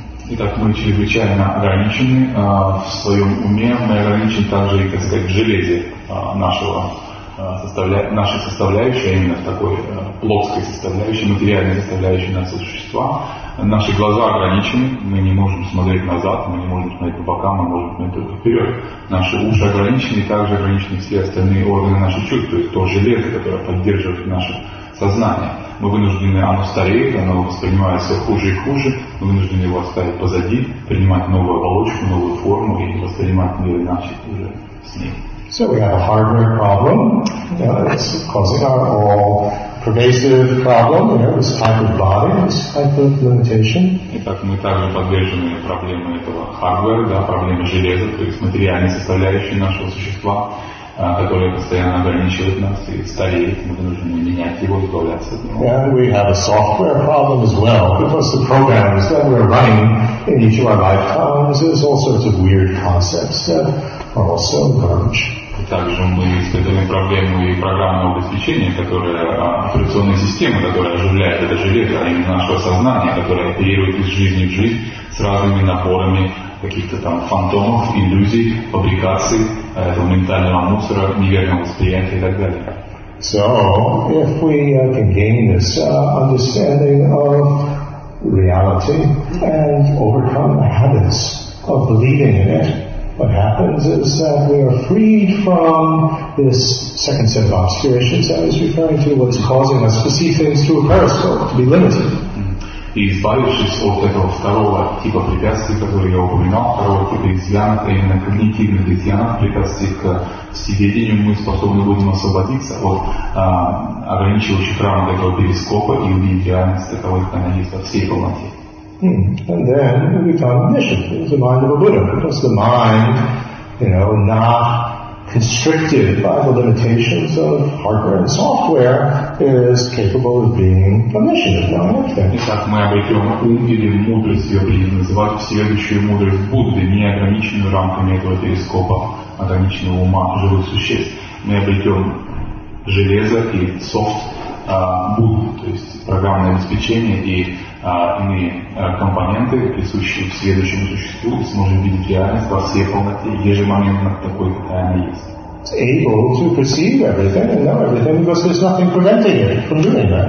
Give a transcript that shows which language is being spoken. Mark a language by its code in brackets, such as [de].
[ru] Итак, мы чрезвычайно ограничены в своем уме, мы ограничены также и, так сказать, в железе нашей составляющей, а именно в такой плоской составляющей, материальной составляющей нашего существа. Наши глаза ограничены, мы не можем смотреть назад, мы не можем смотреть по бокам, мы можем смотреть только вперед. Наши уши ограничены, также ограничены все остальные органы наших чувств, то есть то железо, которое поддерживает наше сознание. Мы вынуждены, оно стареет, оно воспринимает все хуже и хуже, мы вынуждены его оставить позади, принимать новую оболочку, новую форму и воспринимать мир иначе уже с ним. [en] So we have a hardware problem, you know, it's causing our all pervasive problem, you know, this type of body, this type of limitation. [ru] Итак, мы также подвержены проблемам этого hardware, да, проблемы железа, то есть материальной составляющей нашего существа, которая постоянно ограничивает нас и стареет, мы должны менять его, избавляться от него. [en] And we have a software problem as well, because the programs that we're running in each of our lifetimes, there's all sorts of weird concepts that are also garbage. [ru] И также мы испытываем проблему и программного обеспечения, которая операционная система, которая оживляет это железо, а именно нашего сознания, которое оперирует из жизни в жизнь с разными наборами каких-то там фантомов, иллюзий, фабрикаций этого ментального мусора, неверного восприятия и так далее. [en] So, if we can gain this understanding of reality and overcome the habits of believing in it, what happens is that we are freed from this second set of obscurations that I was referring to, what's causing us to see things through a periscope, to be limited. [ru] И избавившись от этого второго типа препятствий, которые я упоминал, второго типа изъянов, а именно когнитивных изъянов, препятствий к всеведению, мы способны будем освободиться от ограничивающих рам этого перископа и увидеть реальность таковой, как она есть во всей полноте. [en] And then we become omniscient, the mind of a Buddha, because the mind, you know, not constricted by the limitations of hardware and software, is capable of being omniscient, of knowing everything. [ru] Итак, мы обретем ум или мудрость, ее будем называть всеведущую мудрость Будды, не ограниченную рамками этого перископа, ограниченного ума живых существ. Мы обретем железо и софт Будды, то есть программное обеспечение и иные компоненты, присущие к следующему существу, и сможем видеть реальность во всей полноте, ежемоментно такой, какая она есть. [en] Able to perceive everything and know everything because there's nothing preventing it from doing that.